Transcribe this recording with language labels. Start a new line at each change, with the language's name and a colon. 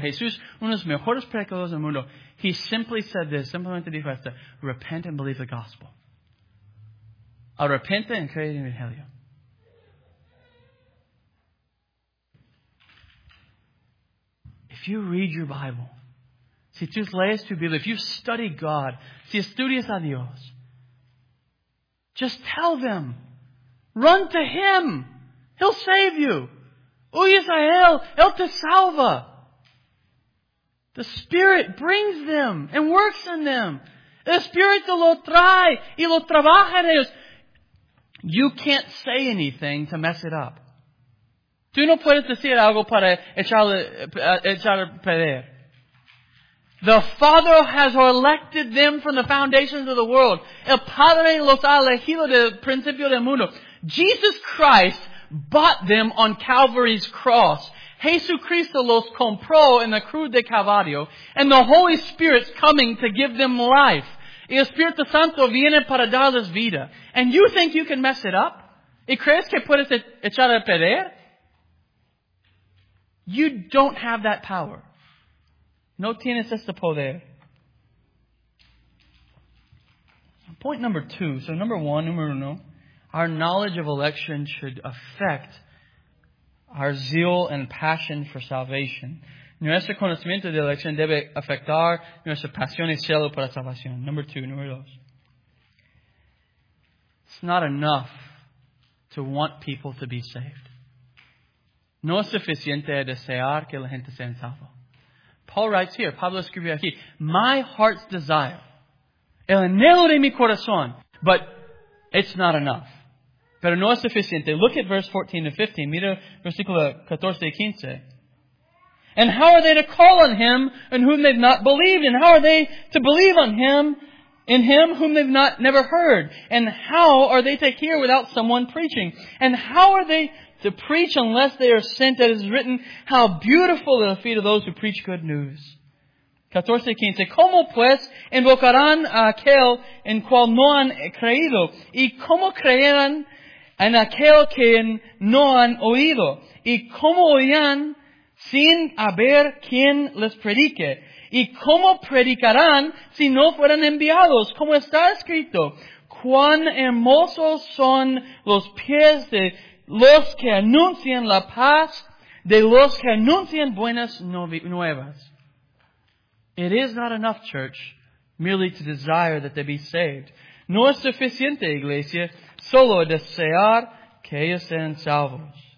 Spanish: Jesús, uno de los mejores predicadores del mundo.
English: He simply said this.
Spanish: Simplemente dijo esto.
English: Repent and believe the gospel.
Spanish: Arrepente y cree en el evangelio.
English: If you read your Bible,
Spanish: si tú lees tu Biblia,
English: if you study God,
Spanish: si estudias a Dios,
English: just tell them. Run to Him. He'll save you.
Spanish: Huyes a Él. Él te salva.
English: The Spirit brings them and works in them.
Spanish: El Espíritu lo trae y lo trabaja en ellos.
English: You can't say anything to mess it up.
Spanish: Tú no puedes decir algo para echarle perder.
English: The Father has elected them from the foundations of the world.
Spanish: El Padre los ha elegido del principio del mundo.
English: Jesus Christ bought them on Calvary's cross.
Spanish: Jesucristo los compró en la cruz de Calvario.
English: And the Holy Spirit's coming to give them life.
Spanish: El Espíritu Santo viene para darles vida.
English: And you think you can mess it up?
Spanish: ¿Y crees que puedes echar a perder?
English: You don't have that power.
Spanish: No tienes este poder.
English: Point number two. So number one,
Spanish: número uno.
English: Our knowledge of election should affect our zeal and passion for salvation.
Spanish: Nuestro conocimiento de elección debe afectar nuestra pasión y celo por la salvación.
English: Number two,
Spanish: número dos.
English: It's not enough to want people to be saved.
Spanish: No es suficiente desear que la gente sea salva.
English: Paul writes here,
Spanish: Pablo escribe aquí,
English: my heart's desire,
Spanish: el anhelo de mi corazón,
English: but it's not enough.
Spanish: Pero no es suficiente.
English: Look at verse 14 to 15.
Spanish: Mira versículo 14 y 15.
English: And how are they to call on him in whom they've not believed? And how are they to believe on him in him whom they've not never heard? And how are they to hear without someone preaching? And how are they to preach unless they are sent? That is written, how beautiful are the feet of those who preach good news.
Spanish: 14 y 15. ¿Cómo pues invocarán a aquel en cual no han creído? ¿Y cómo creerán en aquel que no han oído? ¿Y cómo oirán sin haber quien les predique? ¿Y cómo predicarán si no fueran enviados? Como está escrito, cuán hermosos son los pies de los que anuncian la paz, de los que anuncian buenas nuevas.
English: It is not enough, church, merely to desire that they be saved.
Spanish: No es suficiente, iglesia, solo desear que ellos sean salvos.